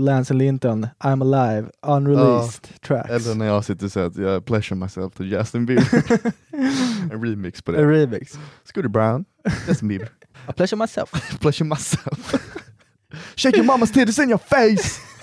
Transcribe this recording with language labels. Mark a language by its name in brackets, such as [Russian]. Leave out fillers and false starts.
[English] Lance Linton, I'm Alive, unreleased tracks. [Swedish] Eller när jag sitter och säger att jag [English] pleasure myself to Justin Bieber. [Swedish] En remix på det. En remix. [English] Scooter Brown, Justin Bieber. I pleasure myself. Pleasure myself. Shake your mama's titties in your face.